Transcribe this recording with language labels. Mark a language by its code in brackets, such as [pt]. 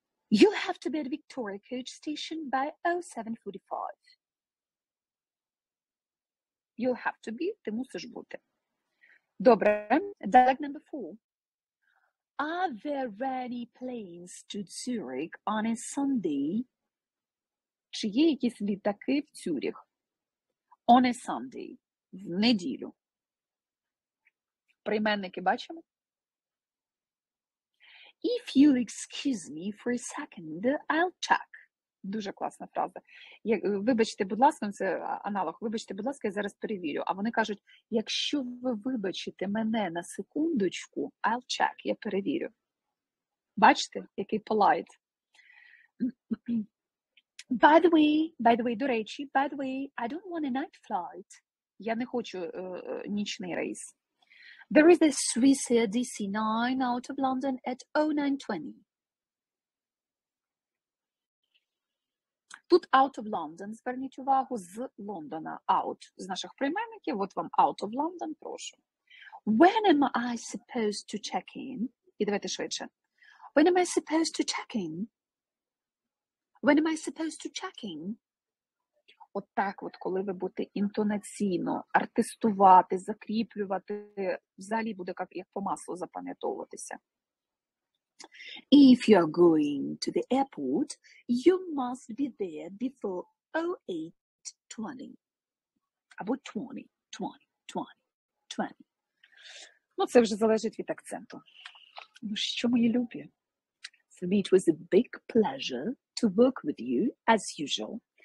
[en] You have to be at Victoria Coach Station by 07:45. You have to be, [uk] ти мусиш бути. Добре, [en] dialogue number 4. Are there any planes to Zurich on a Sunday? [uk] Чи є якісь літаки в Цюріх? [en] On a Sunday. [uk] В неділю. Прийменники бачимо? [en] If you'll excuse me for a second, I'll check. [uk] Дуже класна фраза. Вибачте, будь ласка, це аналог. Вибачте, будь ласка, я зараз перевірю. А вони кажуть, якщо ви вибачите мене на секундочку, [en] I'll check, [uk] я перевірю. Бачите, який polite. [en] By the way, [uk] до речі, [en] by the way, I don't want a night flight. [uk] Я не хочу нічний рейс. [en] There is a Swissair DC-9 out of London at 09:20. [uk] Тут [en] out of London, [uk] зверніть увагу, з Лондона, out, з наших прийменників, от вам [en] out of London, [uk] прошу. [en] When am I supposed to check in? [uk] І давайте швидше. [en] When am I supposed to check in? When am I supposed to check in? [uk] От так от, коли ви будете інтонаційно артистувати, закріплювати, взагалі буде як по маслу запам'ятовуватися. [en] If you're going to the airport, you must be there before 08:20. [uk] Або 20. Ну, це вже залежить від акценту. Ну, що, мої любі? [en] For me, it was a big pleasure to work with you, as usual.